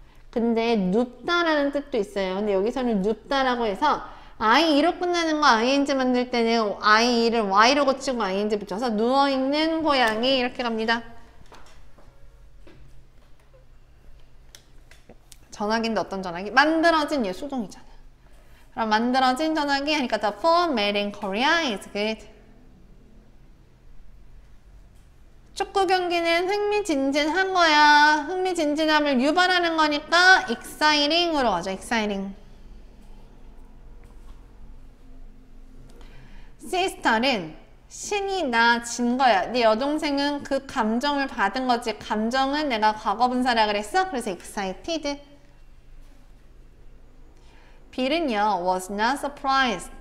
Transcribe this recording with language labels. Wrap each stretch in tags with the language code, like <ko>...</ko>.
<ko>근데 눕다라는 뜻도 있어요. 근데 여기서는 눕다라고 해서 I로 끝나는 거 ing 만들 때는 I를 Y로 고치고 ing 붙여서 누워있는 고양이 이렇게 갑니다. 전화기인데 어떤 전화기? 만들어진 얘 수동이잖아. 그럼 만들어진 전화기 하니까</ko> <en>the phone made in Korea is good.</en> <ko>축구 경기는 흥미진진한 거야. 흥미진진함을 유발하는 거니까 익사이링으로 하자, 익사이링. 시스터는 신이 나진 거야. 네 여동생은 그 감정을 받은 거지. 감정은 내가 과거 분사라 그랬어? 그래서 excited.</ko> <en>Bill은요, was not surprised.</en>